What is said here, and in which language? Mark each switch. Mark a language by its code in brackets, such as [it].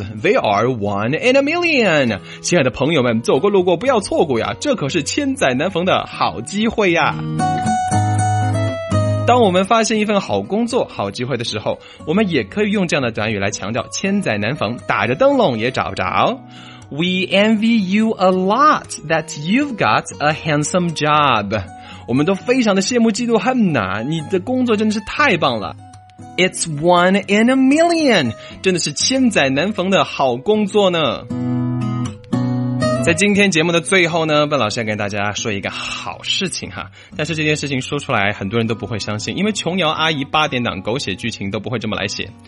[en] They are one in a million. [zh] 亲爱的朋友们，走过路过不要错过呀，这可是千载难逢的好机会呀。当我们发现一份好工作好机会的时候，我们也可以用这样的短语来强调千载难逢，打着灯笼也找不着。 [en] We envy you a lot that you've got a handsome job. [zh] 我们都非常的羡慕嫉妒恨呐，你的工作真的是太棒了。 [en] It's one in a million. [zh] 真的是千载难逢的好工作呢。在今天节目的最后呢，笨老师要跟大家说一个好事情哈，但是这件事情说出来很多人都不会相信，因为琼瑶阿姨八点档狗血剧情都不会这么来写。